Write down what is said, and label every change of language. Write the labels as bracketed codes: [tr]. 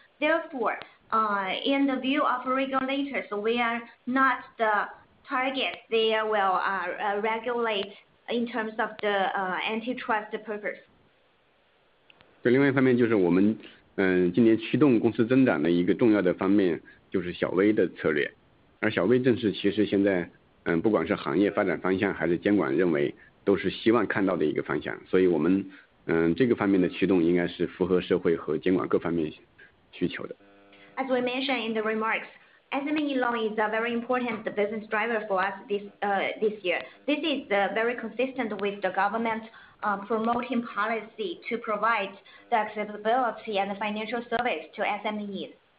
[en] Therefore, in the view of regulators, we are not the target they will regulate in terms of the antitrust purpose. [zh] 对，另外一方面就是我们今年驱动公司增长的一个重要的方面就是小微的策略，而小微正是其实现在不管是行业发展方向还是监管认为都是希望看到的一个方向，所以我们这个方面的驱动应该是符合社会和监管各方面需求的。 [en] As we mentioned in the remarks, SME loan is a very important business driver for us this year. This is very consistent with the government's promoting policy to provide the accessibility and the financial service to SMEs.